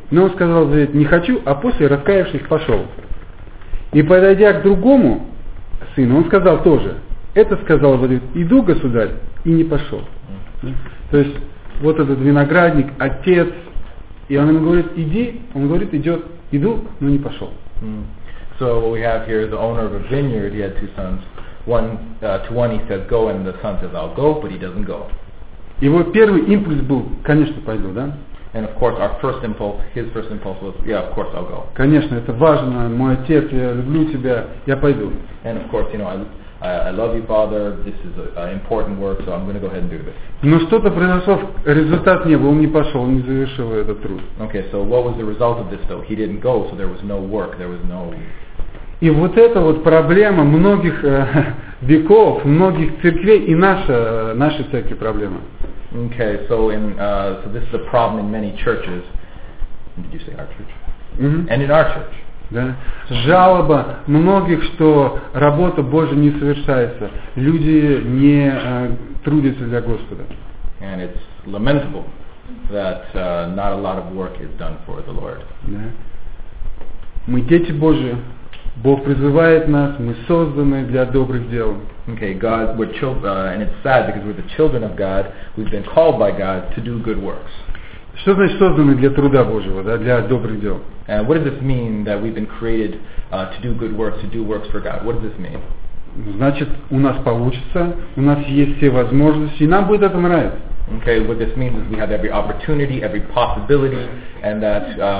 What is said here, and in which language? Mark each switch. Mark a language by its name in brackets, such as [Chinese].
[Russian] Но он сказал: «Не хочу», а после, раскаявшись, пошел. И, подойдя к другому сыну, он сказал тоже. Этот сказал: «Иду, государь», и не пошел. То есть, вот этот виноградник, отец, и он ему говорит: «Иди», он говорит: «Идет», «Иду», но не пошел». [English] So, what we have here is the owner of a vineyard, he had two sons. To one he says, go, and the son says, I'll go, but he doesn't go. [Russian] Его первый импульс был, конечно, пойду, да? [English] And of course, our first impulse, his first impulse was, yeah, of course, I'll go. [Russian] Конечно, это важно, мой отец, я люблю тебя, я пойду. [English] And of course, you know, I love you, Father. This is an important work, so I'm going to go ahead and do this. [Russian] Но что-то произошло, результат не был, он не пошел, он не завершил этот труд. [English] Okay, so what was the result of this, though? He didn't go, so there was no work, there was no. [Russian] И вот это вот проблема многих веков, многих церквей и наша церкви проблема. [English] Okay, so in so this is a problem in many churches. Did you say our church? Mm-hmm. And in our church. [Russian] Да. Жалоба многих, что работа Божия не совершается, люди не трудятся для Господа. [English] And it's lamentable that not a lot of work is done for the Lord. [Russian] Да. Мы дети Божьи. Бог призывает нас, мы созданы для добрых дел. [English] Okay, God, we're children, and it's sad because we're the children of God. We've been called by God to do good works. [Russian] Что значит созданы для труда Божьего, да, для добрых дел? [English] And what does this mean that we've been created to do good works, to do works for God? What does this mean? [Russian] Значит, у нас получится, у нас есть все возможности, и нам будет это нравиться. [English] Okay, what this means is we have every opportunity, every possibility, and that.